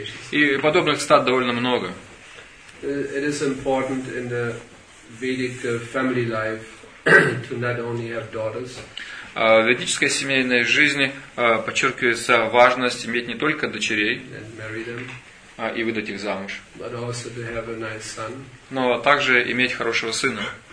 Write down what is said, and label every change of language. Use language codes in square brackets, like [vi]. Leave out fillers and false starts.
[ru] И подобных цитат довольно много. [en] It is important in the Vedic family life. To not only have daughters. [ru] В ведической семейной жизни подчеркивается важность иметь не только дочерей [en] and marry them, [ru] и выдать их замуж, [en] but also to have a nice son. [ru] Но также иметь хорошего сына.